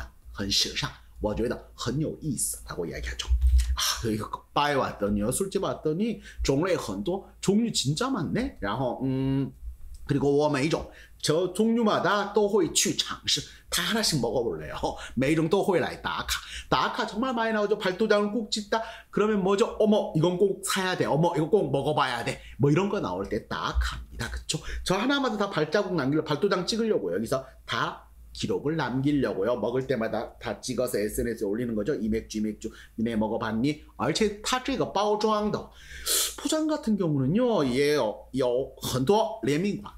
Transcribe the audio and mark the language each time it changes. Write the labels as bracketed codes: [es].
[zh] 每种都会去尝试每种都会来打卡而且它这个包装的话也很有也有很多联名款很时尚我觉得很有意思 [ko] 라고 이야기하죠. 아, 이거 바에 왔더니 술집 왔더니 종류 [zh] 很多, [ko] 종류 진짜 많네. [zh] 然后, [ko] 그리고 [zh] 我每种, [ko] 저 종류마다 [zh] 都会去尝试, [ko] 다 하나씩 먹어볼래요. [zh] 每种都会来打卡. [ko] 打卡 정말 많이 나오죠. 발도장을 꼭 찍다. 그러면 뭐죠? 어머, 이건 꼭 사야 돼. 어머, 이거 꼭 먹어봐야 돼. 뭐 이런 거 나올 때 打卡입니다. 그쵸? 저 하나마다 다 발자국 남기려고, 발도장 찍으려고요. 여기서 다 기록을 남기려고요. 먹을 때마다 다 찍어서 SNS에 올리는 거죠. 이 맥주, 이 맥주, 니네 먹어봤니? [zh] 而且 타这个 包装的 [ko] 포장 같은 경우는요, [zh] 也有很多联名款.